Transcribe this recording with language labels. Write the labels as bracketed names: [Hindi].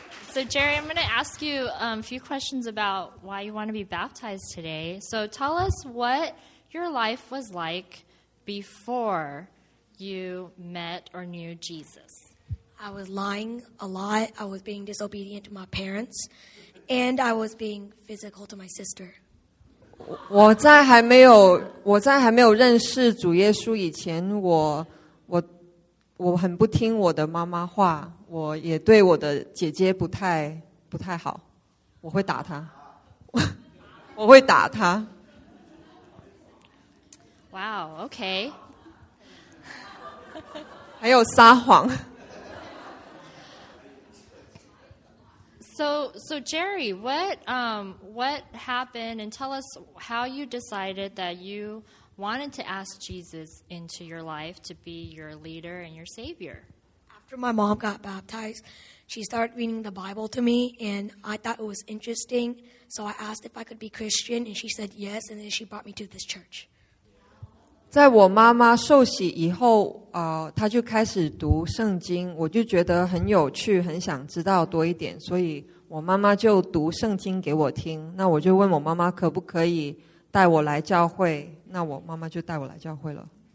[English] So Jerry, I'm going to ask you a few questions about why you want to be baptized today. So tell us what your life was like before you met or knew Jesus. I was lying a lot. I was being disobedient to my parents. And I was being physical to my sister. [Chinese] 我在还没有认识主耶稣以前，我很不听我的妈妈话。我也对我的姐姐不太好，我会打她，我会打她。 [English] Wow, okay. [Chinese] 还有撒谎。 [English] So Jerry, what happened? And tell us how you decided that you wanted to ask Jesus into your life to be your leader and your savior. After my mom got baptized, she started reading the Bible to me, and I thought it was interesting, so I asked if I could be Christian, and she said yes, and then she brought me to this church. [Chinese] 在我妈妈受洗以后，她就开始读圣经，我就觉得很有趣，很想知道多一点，所以我妈妈就读圣经给我听，那我就问我妈妈可不可以带我来教会，那我妈妈就带我来教会了。